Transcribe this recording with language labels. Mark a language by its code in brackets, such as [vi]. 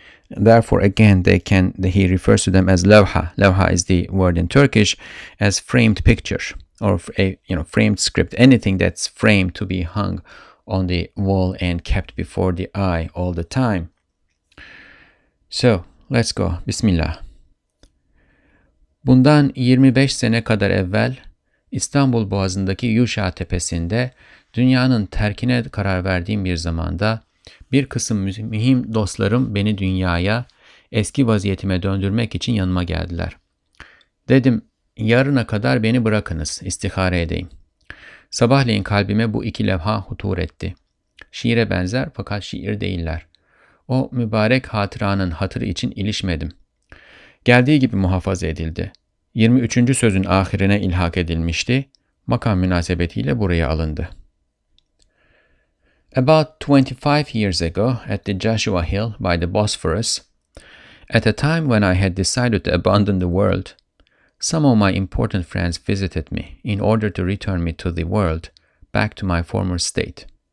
[en] Therefore, again, he refers to them as levha. Levha is the word in Turkish, as framed picture, or a framed script, anything that's framed to be hung on the wall and kept before the eye all the time. So, let's go. Bismillah. [tr] Bundan 25 sene kadar evvel İstanbul Boğazı'ndaki Yuşa Tepesi'nde dünyanın terkine karar verdiğim bir zamanda bir kısım mühim dostlarım beni dünyaya, eski vaziyetime döndürmek için yanıma geldiler. Dedim, yarına kadar beni bırakınız, istihare edeyim. Sabahleyin kalbime bu iki levha hutur etti. Şiire benzer fakat şiir değiller. O mübarek hatıranın hatırı için ilişmedim. Geldiği gibi muhafaza edildi. 23. sözün ahirine ilhak edilmişti. Makam münasebetiyle buraya alındı. [en] About 25 years ago, at the Joshua Hill by the Bosphorus, at a time when I had decided to abandon the world, some of my important friends visited me in order to return me to the world, back to my former state.